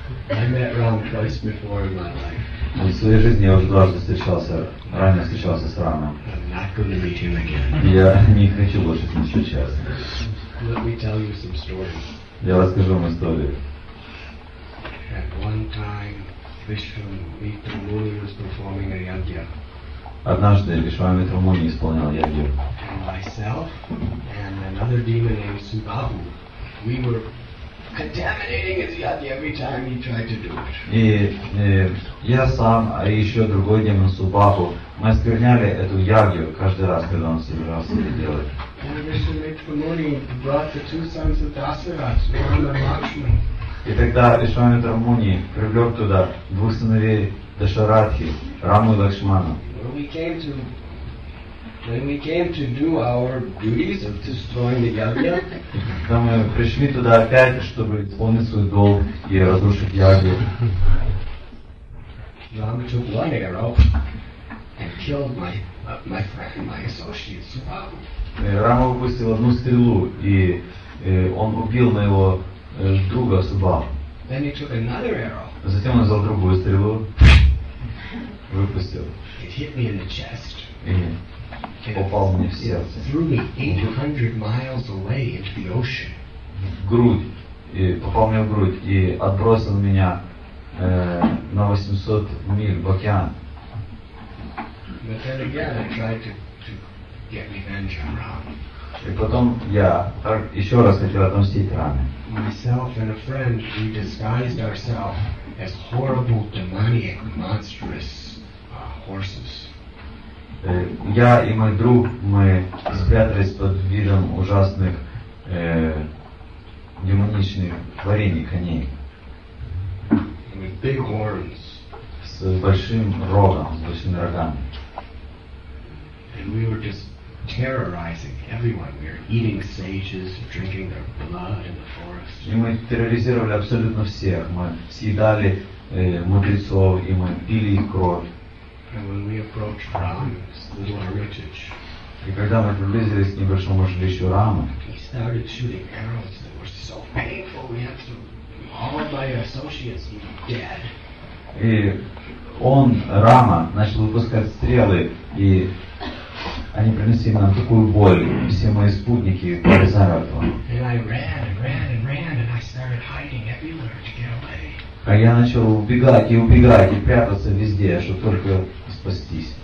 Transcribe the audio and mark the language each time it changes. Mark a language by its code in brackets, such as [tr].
[en] I met Ram twice before in my life. [ru] В своей жизни я уже дважды встречался, ранее встречался с Рамом. [en] I'm not going to meet him again. [ru] Я не хочу больше с ним сейчас. [en] Let me tell you some stories. [ru] Я расскажу вам историю. [en] At one time, Vishwamitramuni was performing a yagya. [ru] Однажды Вишвамитрамуни исполнял ягью. [en] And myself and another demon named Subahu, we were contaminating his yagya every time he tried to do it. And I, and another demon, Subahu, we contaminated his yagya every time he tried to do it. And Vishwamitramuni brought the two sons of Dasaras, Rama and Lakshman. [ru] И тогда Вишвамитрамуни привлек туда двух сыновей Дашарадхи, Раму и Лакшмана. [en] When we came to When we came to do our duties of destroying the Yagya, [ru] да мы пришли туда опять, чтобы исполнить свой долг и разрушить Ягью. [en] Rama took one arrow and killed my friend, my associate Subhavu. [ru] Рама выпустил одну стрелу и он убил моего друга Субаву. [en] Then he took another arrow. [ru] Затем он взял другую стрелу, выпустил. [en] It hit me in the chest. [ru] Попал мне в сердце. [en] Threw me 800 miles away into the ocean. [ru] В грудь. И попал мне в грудь и отбросил меня на 800 миль в океан. [en] But then again I tried to get revenge on Ram. [ru] И потом я еще раз хотел отомстить Раме. [en] Myself and a friend, we disguised ourselves as horrible, demoniac, monstrous horses. [ru] Я и мой друг, мы спрятались под видом ужасных демоничных творений коней. [en] With big horns. [ru] С большим рогом, с большими рогами. [en] And we were just terrorizing everyone. We were eating sages, drinking their blood in the forest. [ru] И мы терроризировали абсолютно всех. Мы съедали мудрецов, и мы пили их кровь. [en] And when we approached Rama's little hermitage, [ru] и когда мы приблизились к небольшому жилищу Рамы, [en] he started shooting arrows that were so painful. We had to haul my associates dead. [ru] И он, Рама, начал выпускать стрелы, и они принесли нам такую боль. Все мои спутники были заразом. [en] And I ran and ran and ran, and I started hiding everywhere to get away. [ru] А я начал убегать и убегать и прятаться везде, чтобы только спастись.